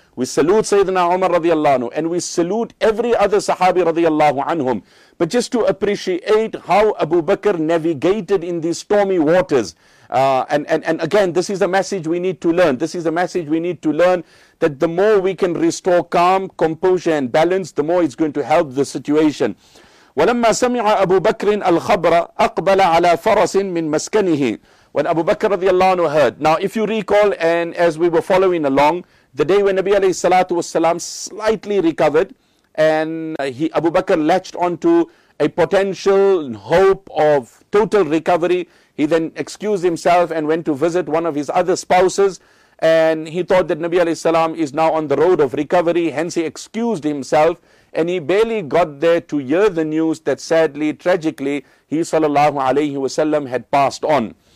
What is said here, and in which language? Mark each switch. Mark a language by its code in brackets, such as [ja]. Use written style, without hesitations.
[en] We salute Sayyidina Umar radiallahu anhu, and we salute every other Sahabi radiallahu anhum. But just to appreciate how Abu Bakr navigated in these stormy waters. And again, this is a message we need to learn. This is a message we need to learn, that the more we can restore calm, composure and balance, the more it's going to help the situation. [ar] وَلَمَّا سَمِعَ أَبُو بَكْرٍ الْخَبْرَ أَقْبَلَ عَلَى فَرَسٍ مِّن مَسْكَنِهِ [en] When Abu Bakr radiallahu anhu heard. Now, if you recall, and as we were following along, the day when Nabi alayhi salatu wasalam slightly recovered, and Abu Bakr latched onto a potential hope of total recovery, he then excused himself and went to visit one of his other spouses, and he thought that Nabi alayhi salam is now on the road of recovery, hence he excused himself, and he barely got there to hear the news that sadly, tragically, he sallallahu alayhi wasalam had passed on.